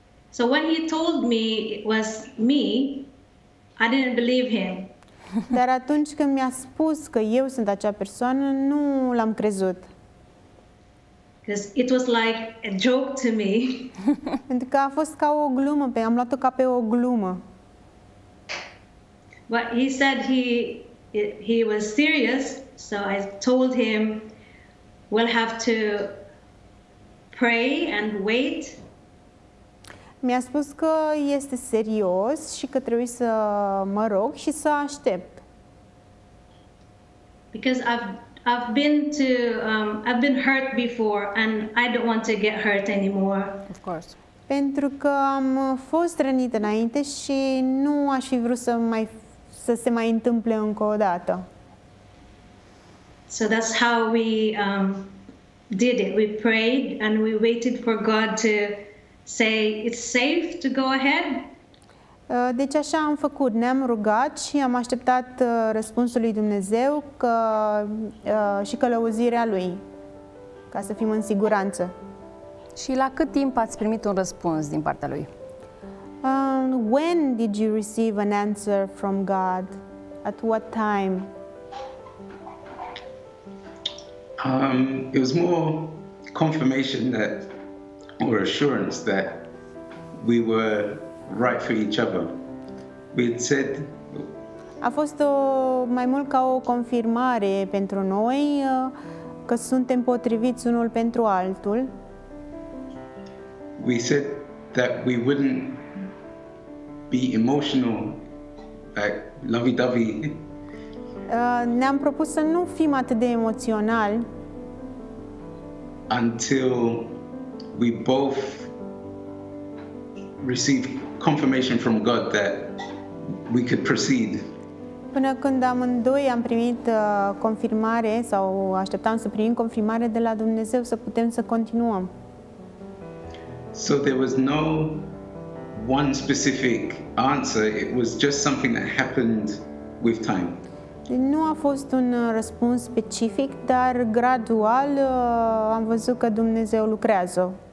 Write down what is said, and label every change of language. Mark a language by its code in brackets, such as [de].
[en] So when he told me it was me, I didn't believe him. [ro] Dar atunci când mi-a spus că eu sunt acea persoană, nu l-am crezut. [en] It was like a joke to me. [ro] Pentru că a fost ca o glumă, am luat-o ca pe o glumă. [en] But he said he was serious, so I told him we'll have to pray and wait. [ro] Mi-a spus că este serios și că trebuie să mă rog și să aștept. [en] Because I've been hurt before and I don't want to get hurt anymore. Of course. [ro] Pentru că am fost rănit înainte și nu aș fi vrut să se mai întâmple încă o dată. [en] So that's how we did it. We prayed and we waited for God to say it's safe to go ahead. [ro] Deci așa am făcut, ne-am rugat și am așteptat răspunsul lui Dumnezeu că, și călăuzirea lui, ca să fim în siguranță. Și la cât timp ați primit un răspuns din partea lui? [en] When did you receive an answer from God? At what time? It was more confirmation that, or assurance that we were right for each other. We'd said. [ro] A fost o, mai mult ca o confirmare pentru noi că suntem potriviți unul pentru altul. [en] We said that we wouldn't be emotional, like lovey-dovey. [ro] Ne-am propus să nu fim atât de emoționali. [en] Until we both received confirmation from God that we could proceed. [ro] Până când amândoi am primit confirmare sau așteptam să primim confirmare de la Dumnezeu să putem să continuăm. [en] So there was no one specific answer, it was just something that happened with time. [ro] Nu a fost un răspuns specific, dar gradual am văzut că Dumnezeu lucrează.